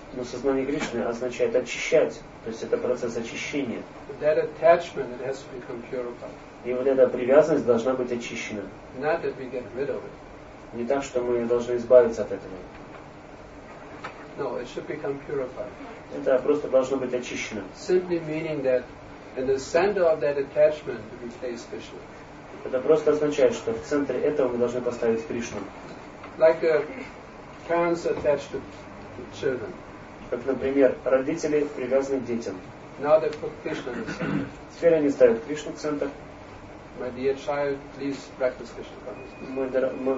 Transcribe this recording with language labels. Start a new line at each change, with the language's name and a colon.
Russian: Но сознание Кришны означает очищать, то есть это процесс очищения.
English: That attachment it has to become purified.
Russian: И вот эта привязанность должна быть очищена.
English: Not that we get rid of it.
Russian: Не так, что мы должны избавиться от этого.
English: No, it should become purified.
Russian: Это просто должно быть очищено.
English: Simply meaning that. And the center of that attachment to be placed Krishna.
Russian: Это просто означает, что в центре этого мы должны поставить Кришну.
English: Like parents attached to children.
Russian: Как, например, родители привязаны к детям.
English: Now they put Krishna in the center.
Russian: Теперь они ставят Кришну в центр.
English: My dear child, please practice Krishna consciousness.